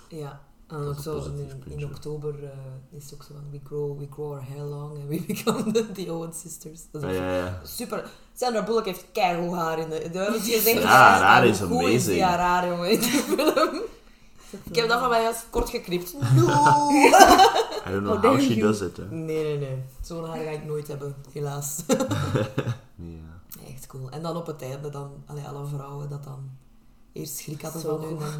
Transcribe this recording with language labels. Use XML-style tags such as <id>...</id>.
<nl>Ja. En ook zo in oktober is het ook zo van</nl> <en>we grow our hair long and we become the Owen sisters.</en> <nl>Dat is super. Sandra Bullock heeft keigoed haar in de... Raar is amazing. Ja, raar, jongen, in de film. Ik heb dat van mij juist kort geknipt.</nl> <en>I don't know how she does it. Eh?</en> <nl>Nee. Zo'n haar ga ik nooit hebben, helaas. Ja. Echt cool. En dan op het einde, dan, alle vrouwen dat dan eerst schrik hadden van hun.</nl>